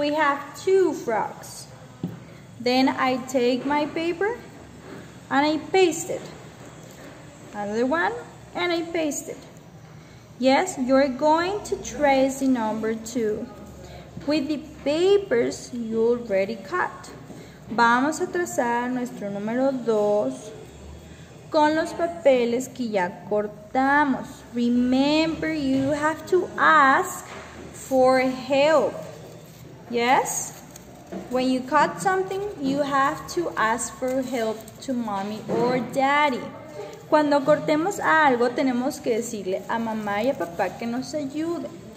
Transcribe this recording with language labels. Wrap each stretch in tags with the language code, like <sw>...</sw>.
<en>We have 2 frogs. Then I take my paper and I paste it. Another one and I paste it. Yes, you're going to trace the number 2 with the papers you already cut.</en> <es>Vamos a trazar nuestro número 2 con los papeles que ya cortamos.</es> <en>Remember, you have to ask for help. Yes? When you cut something, you have to ask for help to mommy or daddy.</en> <es>Cuando cortemos algo, tenemos que decirle a mamá y a papá que nos ayude.</es>